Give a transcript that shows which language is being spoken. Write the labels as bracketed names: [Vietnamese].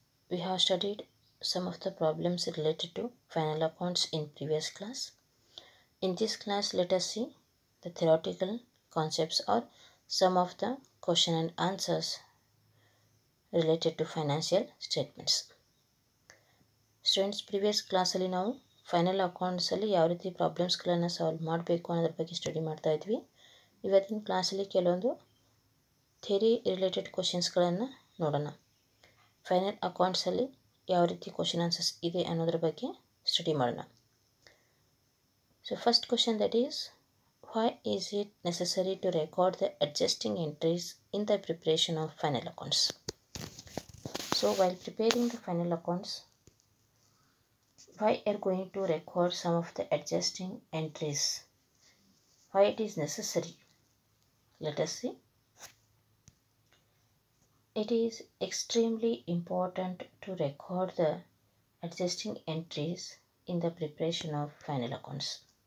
[English] We have studied some of the problems related to final accounts in previous class. In this class, let us see the theoretical concepts or some of the question and answers related to financial statements. [Kannada] Students, previous class alli now final ಅಕೌಂಟ್ಸಲ್ಲಿ ಯಾವ ರೀತಿ ಪ್ರಾಬ್ಲಮ್ಸ್ಗಳನ್ನು solve ಮಾಡಬೇಕು ಅನ್ನೋದ್ರ ಬಗ್ಗೆ study ಮಾಡ್ತಾ ಇದ್ವಿ. ಇವತ್ತಿನ ಕ್ಲಾಸಲ್ಲಿ ಕೆಲವೊಂದು ಥಿಯರಿ ರಿಲೇಟೆಡ್ ಕ್ವೆಶನ್ಸ್ಗಳನ್ನು ನೋಡೋಣ. ಫೈನಲ್ ಅಕೌಂಟ್ಸಲ್ಲಿ ಯಾವ ರೀತಿ ಕ್ವೆಶನ್ ಆನ್ಸರ್ಸ್ ಇದೆ ಅನ್ನೋದ್ರ ಬಗ್ಗೆ ಸ್ಟಡಿ ಮಾಡೋಣ. [English] So first question, that is why is it necessary to record the adjusting entries in the preparation of final accounts. So while preparing the final accounts, why are going to record some of the adjusting entries, why it is necessary, let us see. It is extremely important to record the adjusting entries in the preparation of final accounts.